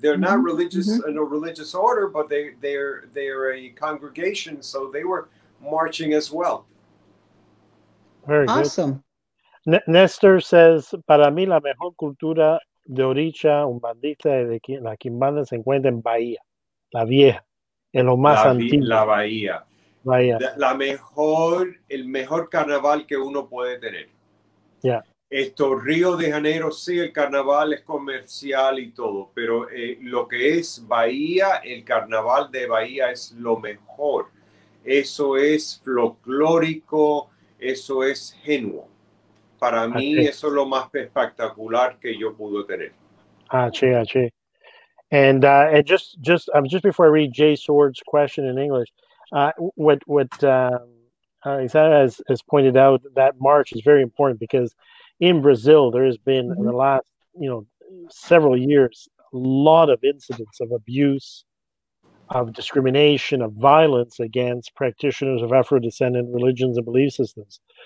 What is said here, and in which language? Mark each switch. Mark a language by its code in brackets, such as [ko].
[en] They're mm-hmm. not religious mm-hmm. in a religious order, but they're a congregation. So they were marching as well. Very good. Awesome. Nestor says, [es] "Para mí la mejor cultura de Orisha, Umbandita, y de la Quimbanda se encuentra en Bahía, la vieja, en lo más antiguo. La Bahía." Bahía. El mejor carnaval que uno puede tener. [en] Yeah. [es] Esto, Río de Janeiro, sí, el carnaval es comercial y todo, pero lo que es Bahía, el carnaval de Bahía es lo mejor. Eso es folclórico, eso es genuino. Para mí, eso es lo más espectacular que yo pudo tener. [en] And just before I read Jay Sword's question in English, Isaiah has pointed out, that march is very important because in Brazil there has been mm-hmm. in the last, you know, several years a lot of incidents of abuse, of discrimination, of violence against practitioners of Afro-descendant religions and belief systems.